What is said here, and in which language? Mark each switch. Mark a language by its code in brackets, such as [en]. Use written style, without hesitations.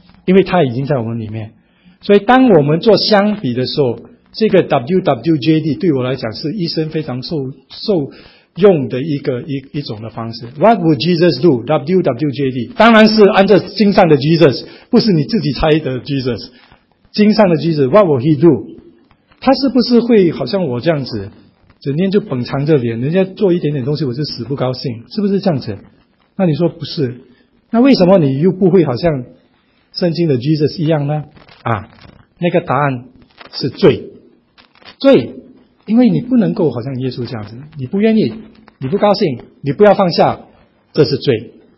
[zh] 因为他已经在我们里面。所以当我们做相比的时候，这个 WWJD 对我来讲是一生非常受用的一种的方式。 [en] What would Jesus do? [zh] WWJD 当然是按照经上的 Jesus， 不是你自己猜的 Jesus。经上的 [en] Jesus， What would he do? [zh] 他是不是会好像我这样子整天就捧藏着脸，人家做一点点东西我就死不高兴，是不是这样子？那你说不是，那为什么你又不会好像圣经的 Jesus 一样呢？啊，那个答案是罪。罪，因为你不能够好像耶稣这样子，你不愿意，你不高兴，你不要放下，这是罪。